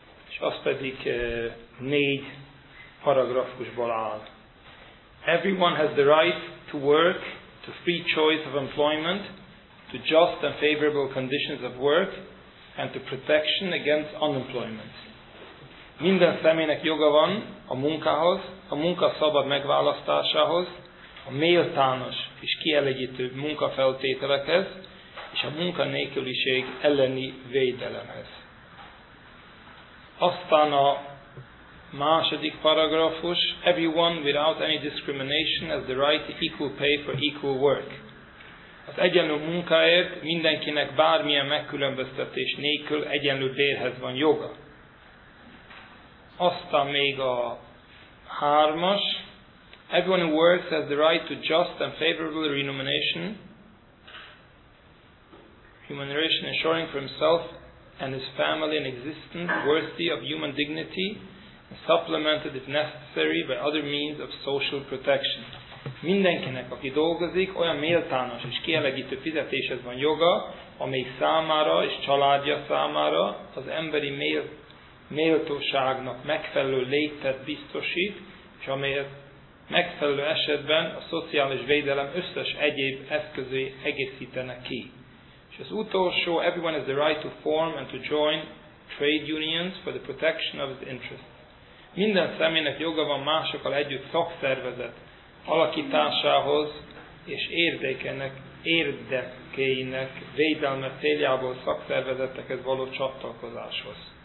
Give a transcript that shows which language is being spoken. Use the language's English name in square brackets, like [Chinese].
[Hungarian] És az pedig négy paragrafusból áll. [English] Everyone has the right to work, to free choice of employment, to just and favorable conditions of work, and to protection against unemployment. [Hungarian] Minden személynek joga van a munkához, a munka szabad megválasztásához, a méltános és kielégítő munkafeltételekhez, és a munkanélküliség elleni védelemhez. Aztán a második paragrafus, [English] everyone without any discrimination has the right to equal pay for equal work. [Hungarian] Az egyenlő munkáért mindenkinek bármilyen megkülönböztetés nélkül egyenlő bérhez van joga. Aztán még a hármas, [English] everyone who works has the right to just and favorable remuneration ensuring for himself and his family an existence worthy of human dignity, supplemented if necessary by other means of social protection. [Hungarian] Mindenkinek, aki dolgozik, olyan méltános és kielégítő fizetéshez van joga, amely számára és családja számára az emberi méltóságnak megfelelő létet biztosít, és amelyet megfelelő esetben a szociális védelem összes egyéb eszközei egészítenek ki. És az utolsó, [English] everyone has the right to form and to join trade unions for the protection of his interests. [Hungarian] Minden személynek joga van másokkal együtt szakszervezet alakításához és érdekeinek védelme céljából szakszervezetekhez való csatlakozáshoz.